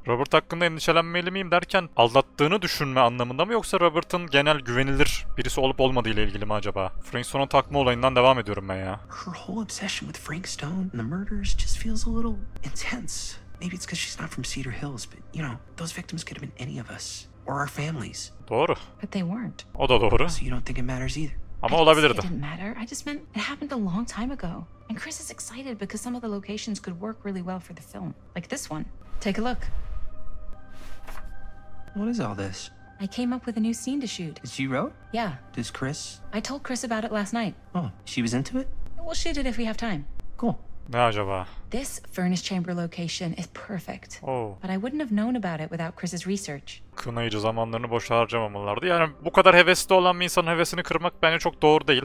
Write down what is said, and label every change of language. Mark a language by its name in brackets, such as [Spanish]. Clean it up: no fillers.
[Turkish] Robert hakkında endişelenmeli miyim derken aldattığını düşünme anlamında mı, yoksa Robert'ın genel güvenilir birisi olup olmadığı ile ilgili mi acaba? Frank Stone'un takma olayından devam ediyorum ben ya. [English] Her whole obsession with Frank Stone and the murders just feels a little intense. Maybe it's because she's not from Cedar Hills, but you know, those victims could have been any of us or our families. [Turkish] Doğru. [English] But they weren't. [Turkish] O da doğru. [English] So you don't think it matters either. [Turkish] Ama olabilirdi. [English] It didn't matter. I just meant it happened a long time ago. And Chris is excited because some of the locations could work really well for the film. Like this one. Take a look. What is all this? I came up with a new scene to shoot. She wrote? Yeah. Does Chris? I told Chris about it last night. Oh, she was into it? We'll shoot it if we have time. Cool. [Turkish] Ne acaba? [English] This furnace chamber location is perfect. Oh. But I wouldn't have known about it without Chris's research. [Turkish] Kınayıcı, zamanlarını boşa harcamamalardı. Yani bu kadar hevesli olan bir insanın hevesini kırmak bence çok doğru değil.